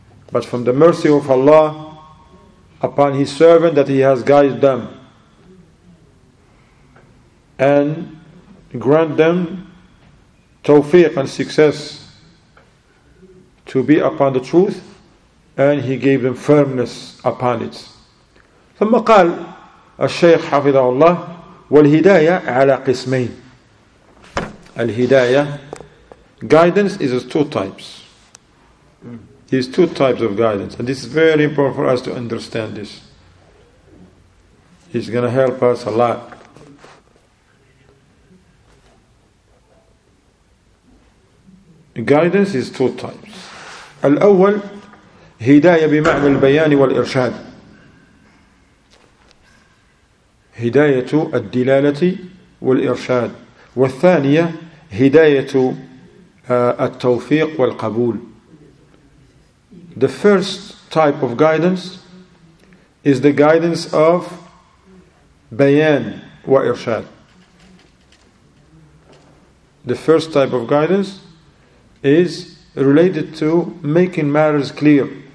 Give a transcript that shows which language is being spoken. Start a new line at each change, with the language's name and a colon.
English: But from the mercy of Allah, upon His servant that He has guided them, and grant them tawfiq and success to be upon the truth, and he gave them firmness upon it.
Arabic: ثم قال الشيخ حفظه الله والهداية على قسمين.
English: الهداية, guidance is two types. There's two types of guidance, and this is very important for us to understand this. It's going to help us a lot. Guidance is two types.
Arabic: الأول هداية بمعنى البيان والإرشاد, هداية الدلالة والإرشاد. والثانية هداية التوفيق والقبول.
English: The first type of guidance is the guidance of
Arabic: بيان وإرشاد.
English: The first type of guidance is related to making matters clear.